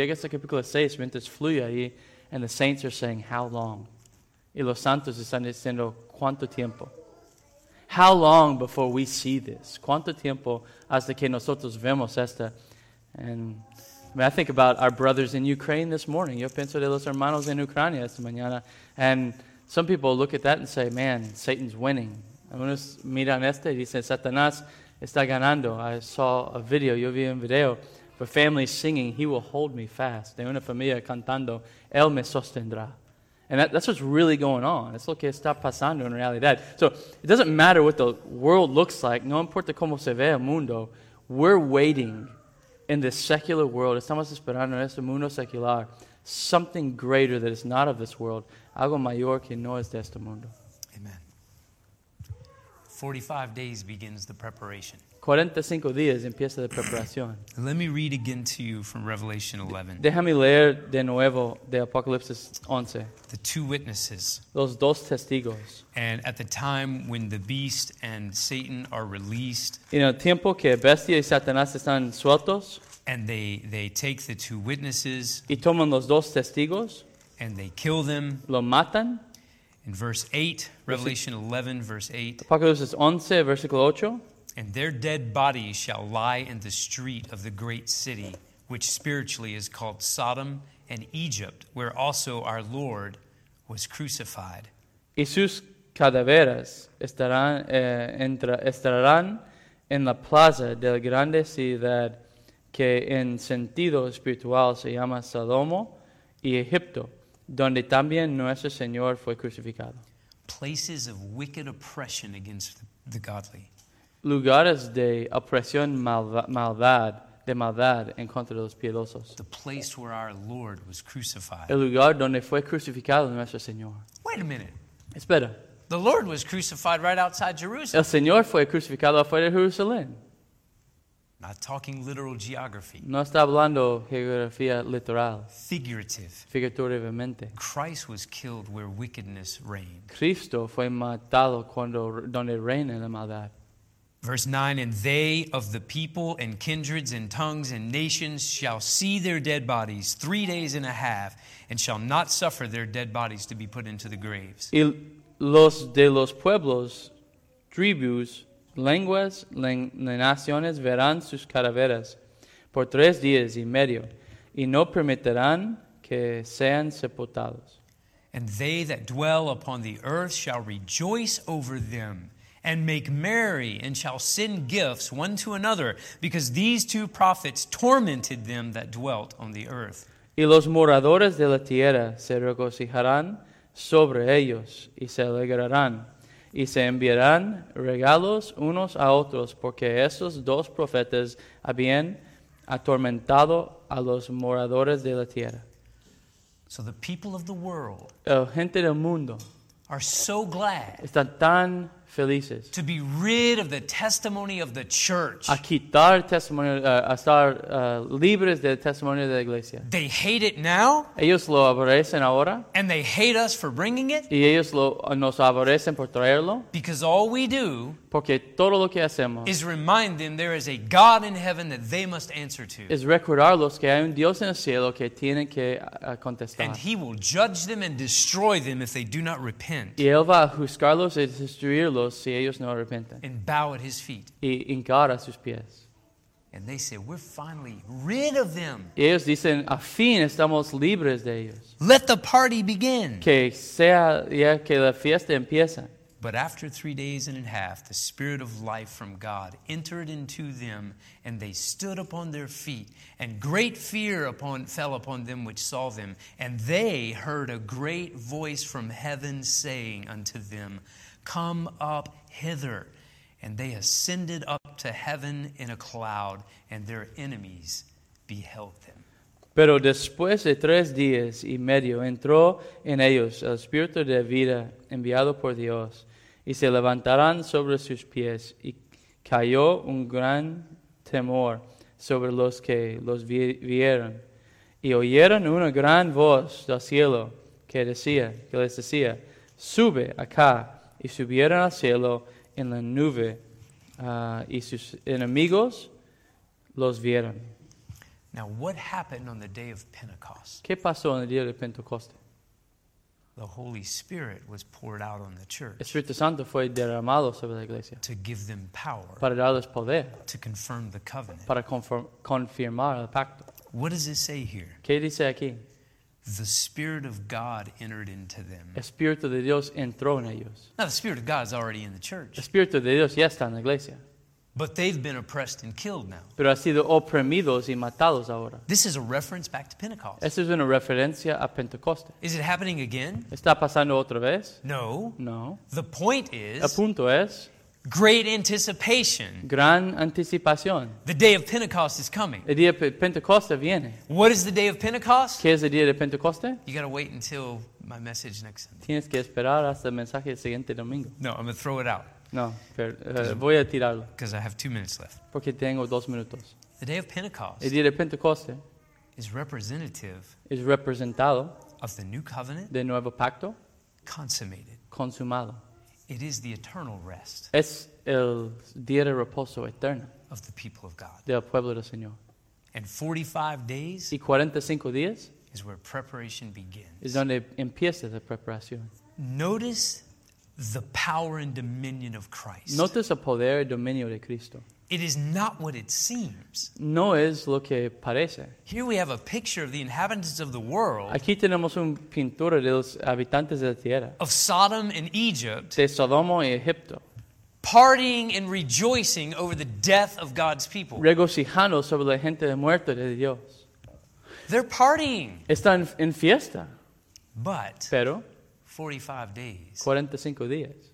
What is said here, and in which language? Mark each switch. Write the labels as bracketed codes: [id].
[es] Llegas a capítulo 6 mientras fluye ahí. [en] And the saints are saying, how long? [es] Y los santos están diciendo, ¿cuánto tiempo? [en] How long before we see this? [es] ¿Cuánto tiempo hasta que nosotros vemos esta? [en] And I mean, I think about our brothers in Ukraine this morning. [es] Yo pienso de los hermanos en Ucrania esta mañana. [en] And some people look at that and say, man, Satan's winning. [es] Algunos miran este y dicen, Satanás está ganando. [en] I saw a video, [es] yo vi un video, [en] of a family singing, He Will Hold Me Fast. [es] De una familia cantando, Él me sostendrá. [en] And that's what's really going on. [es] It's lo que está pasando en realidad. [en] So it doesn't matter what the world looks like. [es] No importa cómo se ve el mundo. [en] We're waiting in this secular world. [es] Estamos esperando en este mundo secular. [en] Something greater that is not of this world. [es] Algo mayor que no es de este mundo. [en] Amen. 45 days begins the preparation. [es] 45 días empieza la preparación. [en] Let me read again to you from Revelation 11. [es] Déjame leer de nuevo de Apocalipsis 11. [en] The two witnesses. [es] Los dos testigos. [en] And at the time when the beast and Satan are released. [es] En el tiempo que bestia y Satanás están sueltos. [en] And they take the two witnesses. [es] Y toman los dos testigos. [en] And they kill them. [es] Lo matan. [en] In verse 8, Revelation 11, verse 8. [es] Apocalipsis 11, versículo 8. [en] And their dead bodies shall lie in the street of the great city, which spiritually is called Sodom and Egypt, where also our Lord was crucified. [es] Y sus cadáveres estarán en la plaza de la grande ciudad que en sentido espiritual se llama Sodomo y Egipto, donde también nuestro Señor fue crucificado. [en] Places of wicked oppression against the godly. [es] Lugares de opresión maldad en contra de los piedosos. [en] The place where our Lord was crucified. [es] El lugar donde fue crucificado nuestro Señor. [en] Wait a minute. [es] Espera. [en] The Lord was crucified right outside Jerusalem. [es] El Señor fue crucificado afuera de Jerusalén. [en] Not talking literal geography. [es] No está hablando geografía literal. [en] Figurative. [es] Figurativamente. [en] Christ was killed where wickedness reigned. [es] Cristo fue matado donde reina la maldad. [en] Verse 9, and they of the people and kindreds and tongues and nations shall see their dead bodies 3 days and a half and shall not suffer their dead bodies to be put into the graves. [es] Y los de los pueblos, tribus, lenguas, naciones verán sus cadáveres por 3 días y medio y no permitirán que sean sepultados. [en] And they that dwell upon the earth shall rejoice over them and make merry, and shall send gifts one to another, because these two prophets tormented them that dwelt on the earth. [es] Y los moradores de la tierra se regocijarán sobre ellos, y se alegrarán, y se enviarán regalos unos a otros, porque esos dos profetas habían atormentado a los moradores de la tierra. [en] So the people of the world, [es] el gente del mundo, [en] are so glad, [es] están tan felices, [en] to be rid of the testimony of the church. [es] A quitar testimonio, a estar libres del testimonio de la iglesia. [en] They hate it now. [es] Ellos lo aborrecen ahora. [en] And they hate us for bringing it. [es] Y ellos nos aborrecen por traerlo. [en] Because all we do, [es] porque todo lo que hacemos, [en] is remind them there is a God in heaven that they must answer to. [es] Es recordarlos que hay un Dios en el cielo que tienen que contestar. [en] And He will judge them and destroy them if they do not repent. [es] Y Él va a juzgarlos y destruirlos ídolos si ellos no arrepienten. [en] And bow at his feet. [es] Y hincar a sus pies. [en] And they say, we're finally rid of them. [es] Y ellos dicen, a fin estamos libres de ellos. [en] Let the party begin. [es] Que sea ya que la fiesta empieza. [en] But after 3 days and a half, the Spirit of life from God entered into them, and they stood upon their feet, and great fear fell upon them which saw them, and they heard a great voice from heaven saying unto them, come up hither. And they ascended up to heaven in a cloud, and their enemies beheld them. [es] Pero después de 3 días y medio entró en ellos el Espíritu de vida enviado por Dios, y se levantarán sobre sus pies, y cayó un gran temor sobre los que los vieron. Y oyeron una gran voz del cielo que les decía, sube acá, y subieron al cielo en la nube, y sus enemigos los vieron. [en] Now, what happened on the day of Pentecost? [es] ¿Qué pasó en el día de Pentecostés? [en] The Holy Spirit was poured out on the church. [es] El Espíritu Santo fue derramado sobre la iglesia. [en] To give them power. [es] Para darles poder. [en] To confirm the covenant. [es] Para confirmar el pacto. [en] What does it say here? [es] ¿Qué dice aquí? [en] The Spirit of God entered into them. [es] El Espíritu de Dios entró en ellos. [en] Now the Spirit of God is already in the church. [es] El Espíritu de Dios ya está en la iglesia. [en] But they've been oppressed and killed now. [es] Pero han sido oprimidos y matados ahora. [en] This is a reference back to Pentecost. [es] Esto es una referencia a Pentecostés. [en] Is it happening again? [es] ¿Está pasando otra vez? [en] No. [es] No. [en] The point is. [es] El punto es. [en] Great anticipation. [es] Gran anticipación. [en] The day of Pentecost is coming. [es] El día de Pentecostés viene. [en] What is the day of Pentecost? [es] ¿Qué es el día de Pentecostés? [en] You got to wait until my message next Sunday. [es] Tienes que esperar hasta el mensaje del siguiente domingo. [en] No, I'm going to throw it out. [es] No, pero, voy a tirarlo. [en] Because I have 2 minutes left. [es] Porque tengo 2 minutos. [en] The day of Pentecost. [es] El día de Pentecostés. [en] Is representative. [es] Es representado. [en] Of the new covenant. [es] Del nuevo pacto. [en] Consummated. [es] Consumado. [en] It is the eternal rest. [es] Es el día de reposo eterno. [en] Of the people of God. [es] Del pueblo del Señor. [en] And 45 days. [es] Y 45 días. [en] Is where preparation begins. [es] Es donde empieza la preparación. [en] Notice. The power and dominion of Christ. [es] Notas el poder y dominio de Cristo. [en] It is not what it seems. [es] No es lo que parece. [en] Here we have a picture of the inhabitants of the world. [es] Aquí tenemos una pintura de los habitantes de la tierra. [en] Of Sodom and Egypt. [es] De Sodoma y Egipto. [en] Partying and rejoicing over the death of God's people. [es] Regocijando sobre la gente muerta de Dios. [en] They're partying. [es] Están en fiesta. [en] But. [es] Pero. [en] 45 days. [es] 45 días.